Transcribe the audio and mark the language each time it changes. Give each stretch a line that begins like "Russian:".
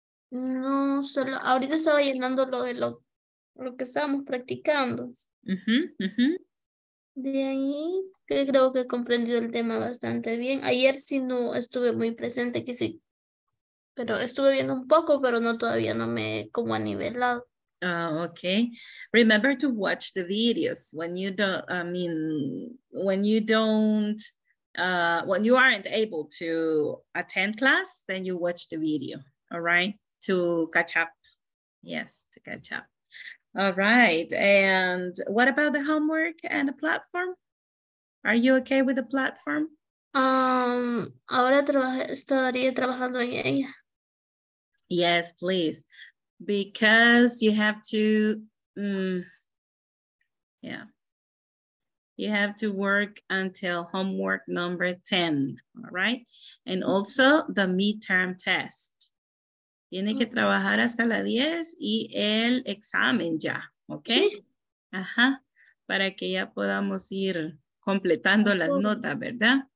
Spanish: No, solo ahorita estaba llenando lo que estábamos practicando. De ahí que creo que he comprendido el tema bastante bien. Ayer sí no estuve muy presente, que sí, pero estuve viendo un poco, pero no, todavía no me he como anivelado. Okay.
English: Remember to watch the videos when you aren't able to attend class, then you watch the video, all right? To catch up. Yes, to catch up. All right, and what about the homework and the platform? Are you okay with the platform?
Spanish: Ahora estaría trabajando en ella.
English: Yes, please, because you have to, you have to work until homework number 10, all right? And also the midterm test.
Spanish: Tiene que trabajar hasta la 10 y el examen ya, ¿ok? Sí. Ajá, para que ya podamos ir completando las notas, ¿verdad?